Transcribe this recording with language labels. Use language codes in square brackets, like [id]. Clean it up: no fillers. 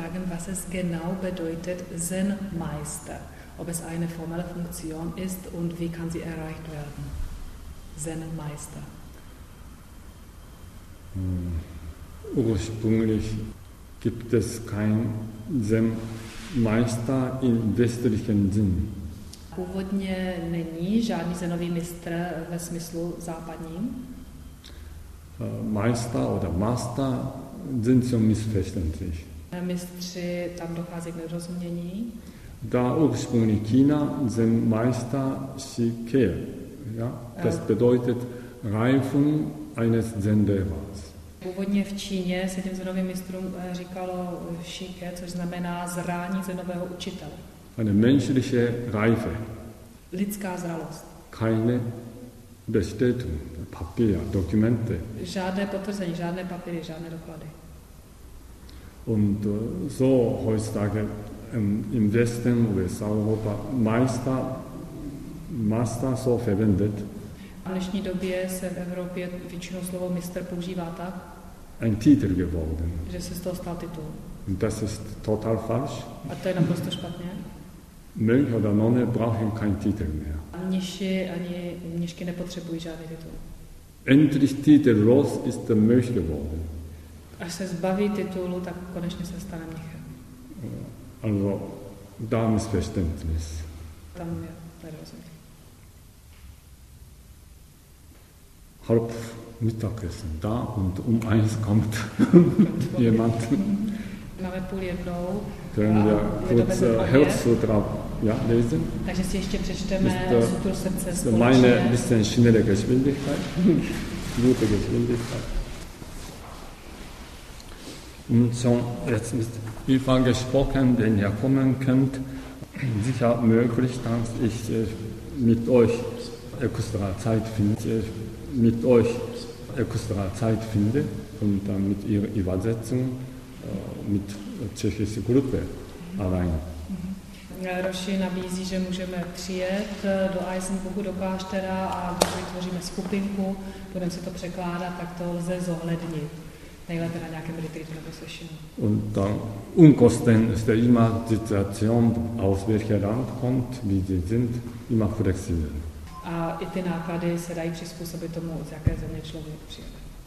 [de] Was es genau bedeutet, Zen-Meister, ob es eine formelle Funktion ist und wie kann sie erreicht werden? Zen-Meister. Ursprünglich gibt es kein Zen-Meister im westlichen Sinn. [cs] Původně není žádný zenový mistr ve smyslu západním. [de] Meister oder Master sind so missverständlich. [cs] Mistři, tam dochází k nerozumění. [de] Da ursprünglich China sind Meister Shike, ja? Das bedeutet Reifung eines Zen-Lehrers. [cs] Původně v Číně se těm zenovým mistrům říkalo Shike, což znamená zrání zenového učitele. [de] Eine menschliche Reife. [cs] Lidská zralost. [de] Keine Bestätigung, Papier, Dokumente. [cs] Žádné potvrzení, žádné papíry, žádné doklady. [de] Und so heutzutage im Westen, USA, Europa, Master so verwendet. [cs] V dnešní době se v Evropě většinou slovo Mister používá tak? [de] Ein Titel geworden. [cs] Že se z toho stal titul. [de] Das ist total falsch. [cs] A to je naprosto špatně. [de] Mönch oder Nonne brauchen kein Titel mehr. [cs] Mniši ani mnišky nepotřebují žádný titul. [de] Endlich Titel los ist der Mönch geworden. [cs] Až se zbaví titulu, tak konečně se stane mnichem. [de] Also, da missverständnis. [cs] Tam je nerozumí. [de] Halb Mittagessen, da und eins kommt jemand. [cs] Máme půl jednou. [de] Können wir kurz Herz Sutra lesen? [cs] Takže si ještě přečteme Sutru srdce společně. [de] Meine bisschen schnelle Geschwindigkeit. Gute Geschwindigkeit. Und so, jetzt ist über gesprochen, wenn ihr kommen könnt, sicher möglich, dass ich mit euch extra Zeit finde, und dann mit ihrer Übersetzung mit tschechischer Gruppe alleine. [cs] Roši nabízí, že můžeme přijet do Eisenbuchu, do kláštera a vytvoříme skupinku, budeme si to překládat, tak to lze zohlednit. Nejlépe na nějakém retreatu nebo sessionu. [de] Und dann unkosten ist immer die Situation, aus welcher Land kommt, wie sie sind, immer flexibel. [cs] A i ty náklady se dají přizpůsobit tomu, z jaké země člověk přijede.